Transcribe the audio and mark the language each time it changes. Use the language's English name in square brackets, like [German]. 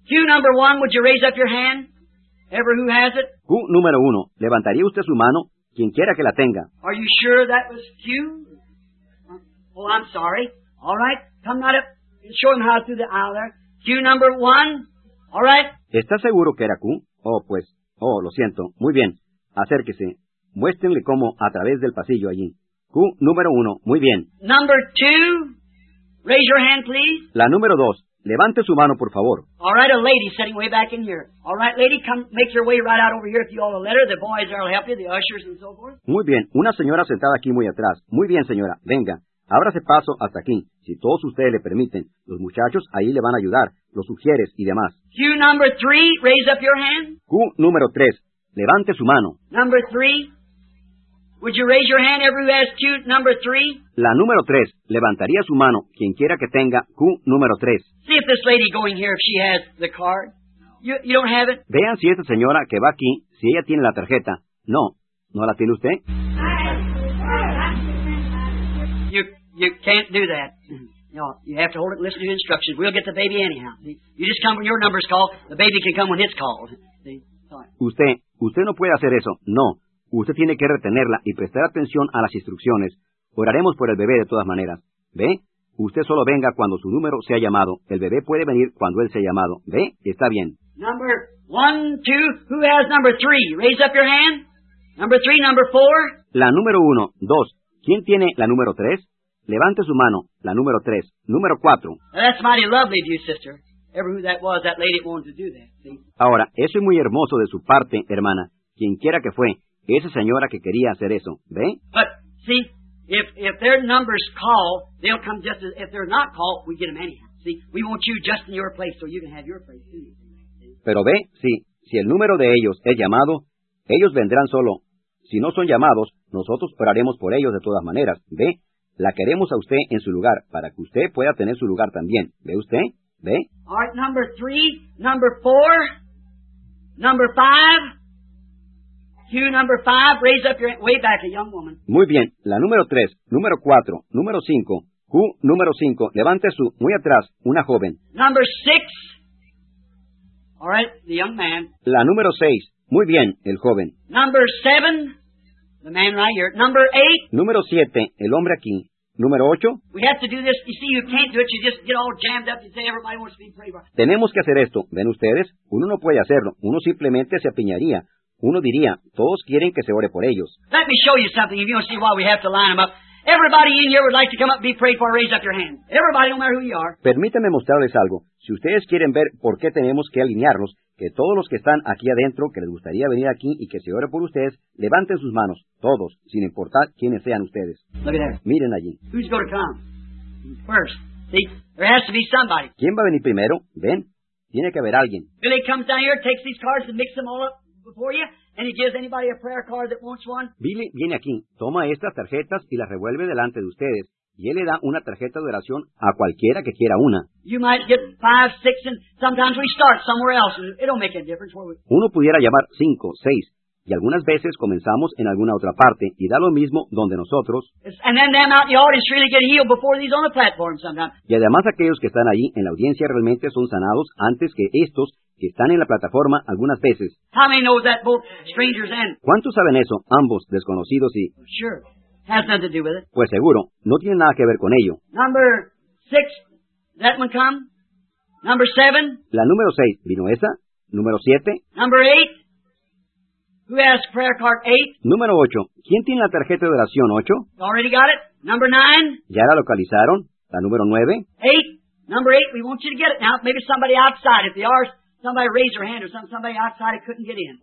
[English] Q number one, would you raise up your hand? Ever who has it? [Spanish] Q número uno, ¿levantaría usted su mano? Quien quiera que la tenga. [English] Are you sure that was Q? Oh, I'm sorry. All right, come right up. Show him how through the aisle there. Q number one, all right. [Spanish] ¿Está seguro que era Q? Lo siento. Muy bien, acérquese. Muéstrenle cómo a través del pasillo allí. Q número uno, muy bien. [English] Number two, Raise your hand, please. [Spanish] La número dos. Levante su mano, por favor. [English] All right, a lady sitting way back in here. All right, lady, come make your way right out over here if you all a letter. The boys there will help you, the ushers and so forth. [Spanish] Muy bien. Una señora sentada aquí muy atrás. Muy bien, señora. Venga. Ábrase paso hasta aquí. Si todos ustedes le permiten, los muchachos ahí le van a ayudar, los sugieres y demás. [English] Q number three, raise up your hand. [Spanish] Q número tres, levante su mano. [English] Number three, would you raise your hand, everyone has Q number three? [Spanish] La número tres, levantaría su mano, quien quiera que tenga Q número tres. [English] See if this lady going here, if she has the card. You don't have it? [Spanish] Vean si esta señora que va aquí, si ella tiene la tarjeta. No, ¿no la tiene usted? [English] You can't do that. No, you have to hold it and listen to your instructions. We'll get the baby anyhow. You just come when your number's called. The baby can come when it's called. [Spanish] Usted no puede hacer eso. No. Usted tiene que retenerla y prestar atención a las instrucciones. Oraremos por el bebé de todas maneras. ¿Ve? Usted solo venga cuando su número sea llamado. El bebé puede venir cuando él sea llamado. ¿Ve? Está bien. [English] Number one, two. Who has number three? Raise up your hand. Number three, number four. [Spanish] La número uno, dos. ¿Quién tiene la número tres? Levante su mano, la número tres. Número cuatro. [English] That's mighty lovely of you, sister. Ever who that was, that lady wanted to do that. See? [Spanish] Ahora, eso es muy hermoso de su parte, hermana. Quien quiera que fue, esa señora que quería hacer eso, ¿ve? [English] But, see, if their numbers call, they'll come just as, if they're not called, we get them anyhow. See, we want you just in your place so you can have your place too. [Spanish] Pero, ¿ve? Sí, si el número de ellos es llamado, ellos vendrán solo. Si no son llamados, nosotros oraremos por ellos de todas maneras, ¿ve? La queremos a usted en su lugar, para que usted pueda tener su lugar también. ¿Ve usted? ¿Ve? [English] All right, number three, number four, number five, Q number five, raise up your hand, way back, a young woman. [Spanish] Muy bien, la número tres, número cuatro, número cinco, Q número cinco, levante su, muy atrás, una joven. [English] Number six, all right, the young man. [Spanish] La número seis, muy bien, el joven. [English] Number seven. The man right here. Number eight. [Spanish] Número siete. El hombre aquí. Número ocho. [English] We have to do this. You see, you can't do it. You just get all jammed up. You say everybody wants to be prayed for. [Spanish] Tenemos que hacer esto. ¿Ven ustedes? Uno no puede hacerlo. Uno simplemente se apiñaría. Uno diría, todos quieren que se ore por ellos. [English] Let me show you something. If you don't see why we have to line them up. Everybody in here would like to come up and be prayed for. Raise up your hand. Everybody, no matter who you are. [Spanish] Permítanme mostrarles algo. Si ustedes quieren ver por qué tenemos que alinearlos, que todos los que están aquí adentro, que les gustaría venir aquí y que se ore por ustedes, levanten sus manos, todos, sin importar quiénes sean ustedes. [English] Look at that. [Spanish] Miren allí. [English] Who's going to come? First. See, there has to be somebody. [Spanish] ¿Quién va a venir primero? Ven. Tiene que haber alguien. [English] Billy comes down here, takes these cards and mixes them all up before you, and he gives anybody a prayer card that wants one. [Spanish] Billy viene aquí, toma estas tarjetas y las revuelve delante de ustedes. Y él le da una tarjeta de oración a cualquiera que quiera una. [English] You might get five, six, and sometimes we start somewhere else. It'll make a difference where we... [Spanish] Uno pudiera llamar cinco, seis, y algunas veces comenzamos en alguna otra parte, y da lo mismo donde nosotros. [English] And then them out in the audience really get healed before these on the platform sometimes. [Spanish] Y además aquellos que están ahí en la audiencia realmente son sanados antes que estos que están en la plataforma algunas veces. [English] How many know that both strangers and... [Spanish] ¿Cuántos saben eso, ambos, desconocidos y...? [English] Sure. Has nothing to do with it. [Spanish] Pues seguro, no tiene nada que ver con ello. [English] Number six, that one come? Number seven? [Spanish] La número seis, ¿vino esa? Número siete? [English] Number eight? Who has prayer card eight? [Spanish] Número ocho, ¿quién tiene la tarjeta de oración ocho? [English] Already got it. Number nine? [Spanish] ¿Ya la localizaron? La número nueve? [English] Eight? Number eight, we want you to get it now. Maybe somebody outside, if they are, somebody raise their hand or somebody outside couldn't get in.